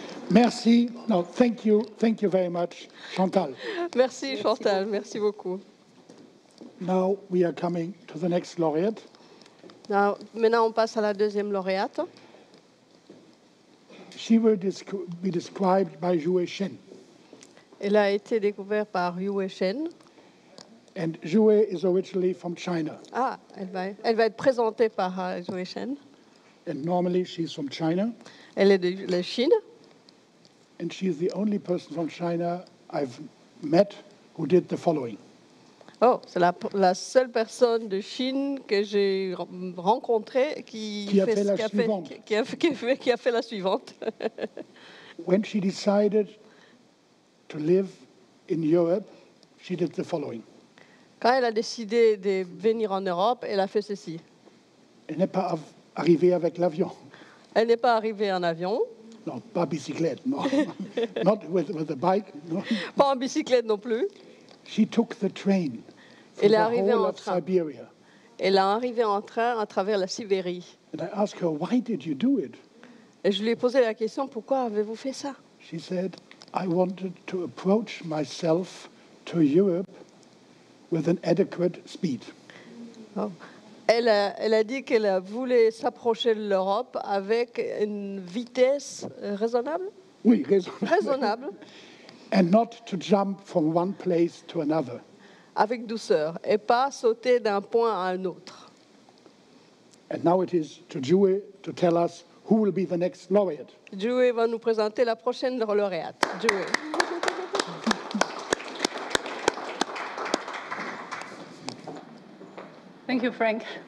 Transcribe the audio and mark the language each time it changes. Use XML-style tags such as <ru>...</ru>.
<fr>Merci.</fr> <en>No, thank you. Thank you very much, Chantal.</en> <fr>Merci, Chantal. Merci beaucoup.</fr> <en>Now we are coming to the next laureate. Now,</en> <fr>maintenant on passe à la deuxième lauréate.</fr> <en>She will be described by Jue Shen.</en> <fr>Elle a été découverte par Jue Shen.</fr> <en>And Jue is originally from China.</en> <fr>Ah, elle va être présentée par Jue Shen.</fr> <en>And normally she's from China.</en> <fr>Elle est de la Chine.</fr> <en>And she is the only person from China I've met who did the following.</en> <fr>Oh, c'est la seule personne de Chine que j'ai rencontrée qui a fait la suivante.</fr> <en>When she decided to live in Europe, she did the following.</en> <fr>Quand elle a décidé de venir en Europe, elle a fait ceci. Elle n'est pas arrivée avec l'avion. Elle n'est pas arrivée en avion. Non, pas en bicyclette, non.</fr> <en>Not with a bike.</en> <fr>Non. Pas en bicyclette non plus.</fr> <en>She took the train.</en> <fr>Elle est arrivée en train.</fr> <en>Siberia.</en> <fr>Elle est arrivée en train à travers la Sibérie.</fr> <en>And I asked her, why did you do it?</en> <fr>Et je lui ai posé la question, pourquoi avez-vous fait ça?</fr> <en>She said, I wanted to approach myself to Europe with an adequate speed. Oh.</en> <fr>Elle a dit qu'elle voulait s'approcher de l'Europe avec une vitesse raisonnable. Oui, raisonnable. Raisonnable.</fr> <en>And not to jump from one place to another.</en> <fr>Avec douceur, et pas sauter d'un point à un autre.</fr> <en>And now it is to Jue to tell us who will be the next laureate.</en> <fr>Jue va nous présenter la prochaine lauréate. Jue.</fr> <en>Thank you, Frank.</en>